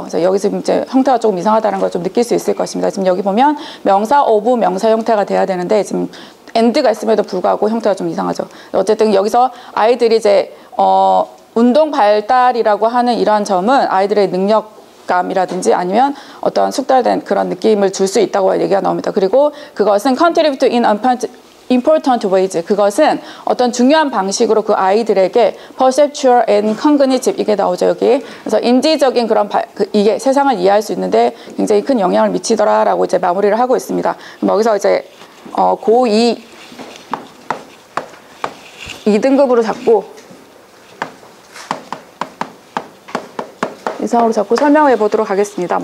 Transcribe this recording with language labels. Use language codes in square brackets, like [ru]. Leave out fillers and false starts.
[ko] 그래서 여기서 이제 형태가 조금 이상하다는 걸 좀 느낄 수 있을 것입니다. 지금 여기 보면 명사 of 명사 형태가 돼야 되는데 지금 and가 있음에도 불구하고 형태가 좀 이상하죠. 어쨌든 여기서 아이들이 이제 운동 발달이라고 하는 이러한 점은 아이들의 능력 감이라든지 아니면 어떤 숙달된 그런 느낌을 줄 수 있다고 얘기가 나옵니다. 그리고 그것은 [en] contribute in important ways. [ko] 그것은 어떤 중요한 방식으로 그 아이들에게 [en] perceptual and cognitive [ko] 이게 나오죠. 여기. 그래서 인지적인 그런 이게 세상을 이해할 수 있는데 굉장히 큰 영향을 미치더라라고 이제 마무리를 하고 있습니다. 그럼 여기서 이제 고2 2등급으로 잡고 이상으로 잡고 설명해 보도록 하겠습니다.